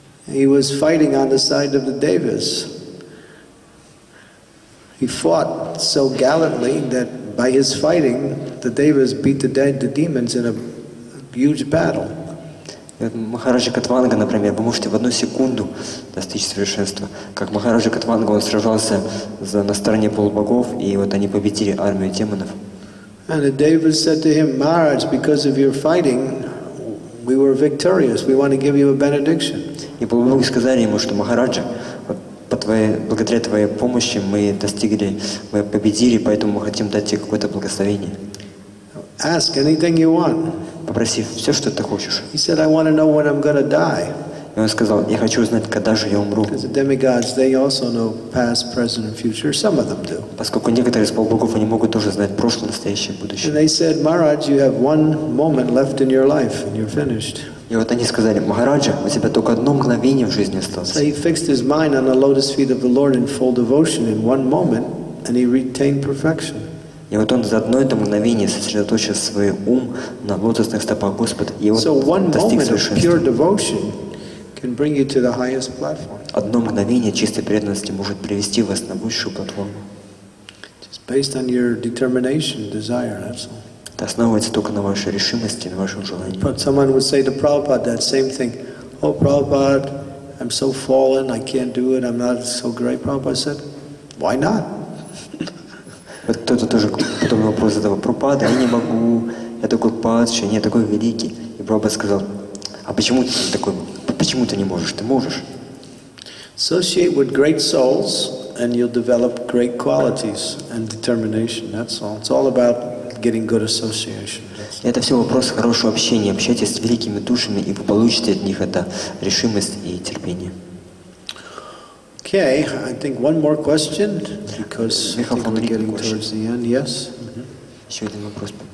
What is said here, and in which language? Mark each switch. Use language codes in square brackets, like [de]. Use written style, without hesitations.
[en] He was fighting on the side of the Devas. He fought so gallantly that by his fighting, the Devas beat the demons in a huge battle. [ru] Махараджа Катванга, например, вы можете в одну секунду достичь совершенства. Как Махараджа Катванга, он сражался на стороне полубогов, и вот они победили армию демонов. [en] And the Devas said to him, Maharaj, because of your fighting, we were victorious. We want to give you a benediction. [ru] И полубоги сказали ему, что Махараджа, благодаря твоей помощи мы победили, поэтому мы хотим дать тебе какое-то благословение. [en] Ask anything you want. [ru] Попроси все, что ты хочешь. [en] He said, I want to know when I'm gonna die. [ru] И он сказал, я хочу узнать, когда же я умру. [en] Because the demigods, they also know past, present, and future. Some of them do. [ru] Поскольку некоторые из полубогов они могут тоже знать прошлое, настоящее, будущее. [en] And they said, Maharaj, you have one moment left in your life, and you're finished. [ru] И вот они сказали, Махараджа, у тебя только одно мгновение в жизни осталось. [en] So he fixed his mind on the lotus feet of the Lord in full devotion in one moment, and he retained perfection. [ru] И вот он за одно это мгновение сосредоточил свой ум на лотосных стопах Господа, и вот достиг совершенства. Одно мгновение чистой преданности может привести вас на высшую платформу. Это основывается только на вашей решимости, на вашем желании. [en] But someone would say to Prabhupada that same thing. Oh, Prabhupada, I'm so fallen, I can't do it, I'm not so great. Prabhupada said, why not? [ru] Вот кто-то тоже подобный вопрос задал. Прабхупада, я не могу, я такой падший, я не такой великий. И Прабхупада сказал, а почему ты такой, почему ты не можешь, ты можешь. [en] Associate with great souls, and you'll develop great qualities and determination, that's all. It's all about getting good association. [ru] Это все вопрос хорошего общения. Общайтесь с великими душами, и вы получите от них это решимость и терпение. [en] Okay, I think one more question, because I think we're getting question. Towards the end. Yes? [ru] Mm-hmm. Еще один вопрос.